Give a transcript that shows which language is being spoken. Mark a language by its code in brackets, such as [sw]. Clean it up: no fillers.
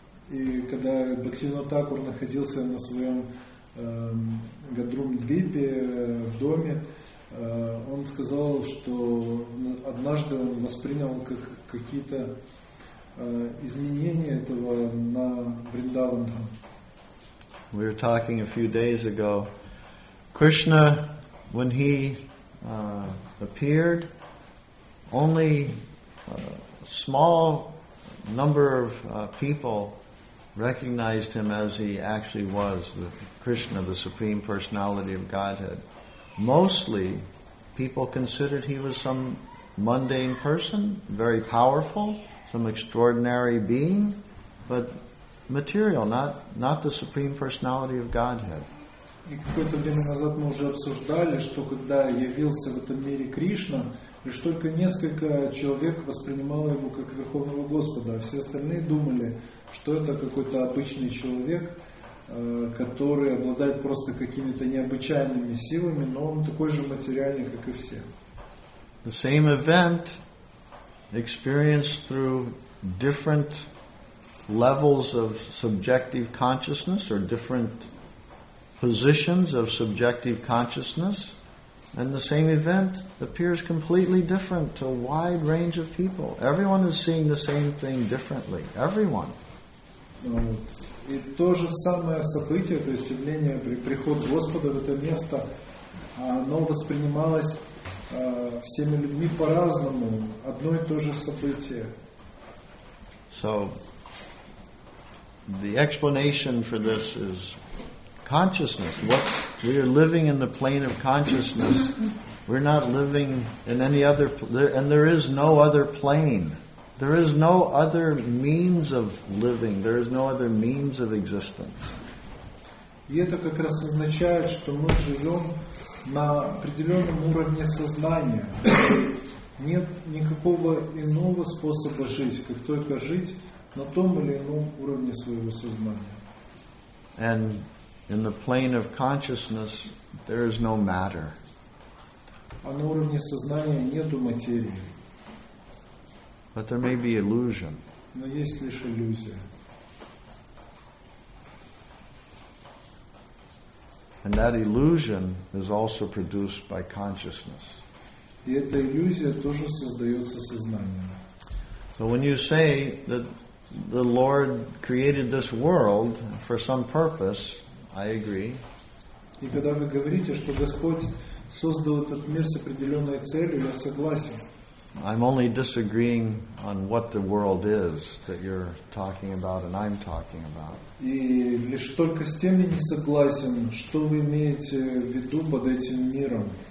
[ru] И когда Бхактивинода Такур находился на своем Годрумадвипе в доме, он сказал, что однажды он воспринял как какие-то изменения этого на Вриндаване. [en] We were talking a few days ago. Krishna, when he appeared, only a small number of people recognized him as he actually was, the Krishna, the Supreme Personality of Godhead. Mostly, people considered he was some mundane person, very powerful, some extraordinary being, but material, not the Supreme Personality of Godhead. [ru] И какое-то время назад мы уже обсуждали, что когда явился в этом мире Кришна, лишь только несколько человек воспринимало его как Верховного Господа, а все остальные думали, что это какой-то обычный человек, который обладает просто какими-то необычайными силами, но он такой же материальный, как и все. [en] The same event experienced through different levels of subjective consciousness or different positions of subjective consciousness, and the same event appears completely different to a wide range of people. Everyone is seeing the same thing differently. Everyone. [ru] И то же самое событие, то есть явление, приход Господа в это место, оно воспринималось всеми людьми по-разному, одно и то же событие. [en] So, the explanation for this is consciousness. What we are living in the plane of consciousness, we're not living in any other, and there is no other plane. There is no other means of living. There is no other means of existence. [ru] И это как раз означает, что мы живем на определенном уровне сознания. Нет никакого иного способа жить, как только жить на том или ином уровне своего сознания. [en] And in the plane of consciousness, there is no matter. [ru] А на уровне сознания нету материи. [en] But there may be illusion. [ru] Но есть лишь иллюзия. [en] And that illusion is also produced by consciousness. [ru] И эта иллюзия тоже создается сознанием. [en] So when you say that the Lord created this world for some purpose, I agree. [ru] И когда вы говорите, что Господь создал этот мир с определенной целью, я согласен. [en] I'm only disagreeing on what the world is that you're talking about and I'm talking about. [ru] И лишь только с тем я не согласен, что вы имеете в виду под этим миром.